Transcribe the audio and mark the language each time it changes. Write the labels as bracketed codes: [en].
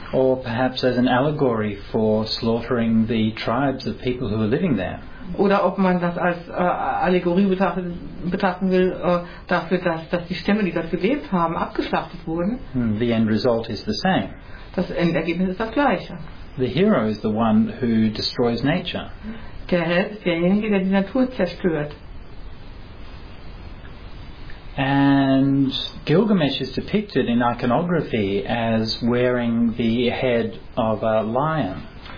[en] Or perhaps as an allegory for slaughtering the tribes of people who are living there. [de] Oder ob man das als Allegorie betrachten will, dafür, dass die Stämme, die dort gelebt haben, abgeschlachtet wurden. [en] The end result is the same. [de] Das Endergebnis ist das gleiche. [en] The hero is the one who destroys nature. [de] Der Held ist derjenige, der die Natur zerstört. [en] And Gilgamesh is depicted in iconography as wearing the head of a lion.